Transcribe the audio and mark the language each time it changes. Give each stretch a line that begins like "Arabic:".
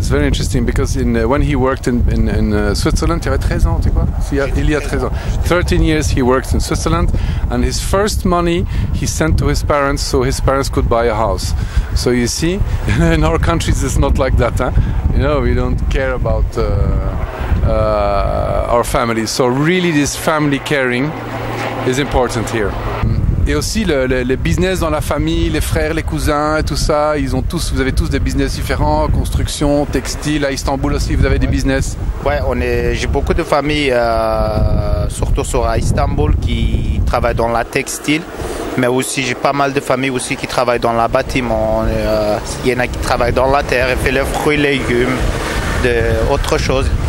French: C'est très intéressant parce que quand il travaillait en Suisse, il avait 13 ans, tu vois? Il y a 13 ans. 13 ans, il travaillait en Suisse. Et son premier argent, il l'a envoyé à ses parents pour que ses parents puissent acheter une maison. Donc, vous voyez, dans notre pays, ce n'est pas comme ça. Vous savez, nous ne nous intéressons pas.
English: Our family. So really this family caring is important here.
French: Et aussi les business dans la famille, les frères, les cousins, tout ça, vous avez tous des business différents, construction, textile, à Istanbul aussi, vous avez des business. Ouais, j'ai beaucoup de familles, surtout sur Istanbul, qui travaillent dans la textile, mais aussi j'ai pas mal de familles aussi qui travaillent dans le bâtiment, il y en a qui travaillent dans la terre, ils font les fruits, les légumes, autre chose.